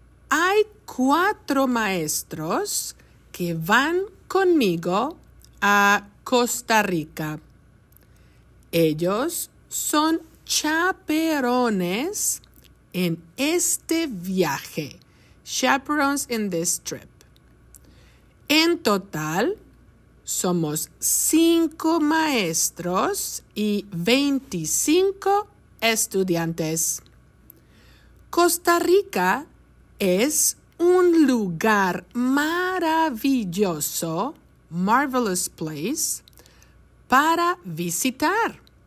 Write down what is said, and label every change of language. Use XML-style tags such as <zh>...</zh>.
<es>Hay 4 maestros que van conmigo a Costa Rica. Ellos son chaperones en este viaje.</es> <en>Chaperones in this trip.</en> <es>En total, somos 5 maestros y 25 estudiantes. Costa Rica es un lugar maravilloso,</es> <en>marvelous place,</en> <es>para visitar.</es>